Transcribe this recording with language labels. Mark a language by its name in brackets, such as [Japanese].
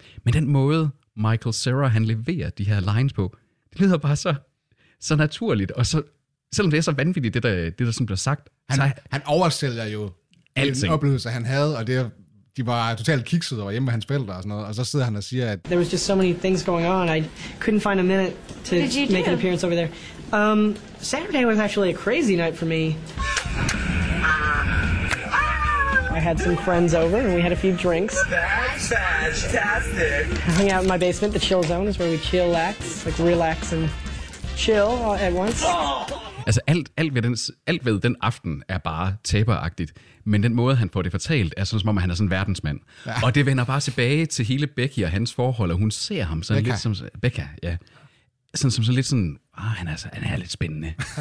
[Danish] Men den måde, Michael Cera, han leverer de her lines på, det lyder bare så naturligt, og så, selvom det er så vanvittigt, det der sådan bliver sagt. Han oversælger jo alting. Den oplevelse, han havde, og det er de var totalt kikset over hjemme med hans forældre og sådan noget, og så sidder han og siger, at [English] there was just so many things going on, I couldn't find a minute to make an appearance over there. Saturday was actually a crazy night for me. I had some friends over and we had a few drinks. That's fantastic. I hung out in my basement, the chill zone is where we chillax, like relax and chill at once. [Danish] Altså alt ved den aften er bare taberagtigt, men den måde, han får det fortalt, er sådan, som om han er sådan en verdensmand. Ja. Og det vender bare tilbage til hele Becky og hans forhold, og hun ser ham sådan Becca. Lidt som... Becca, ja. Sådan som sådan lidt sådan, han er lidt spændende.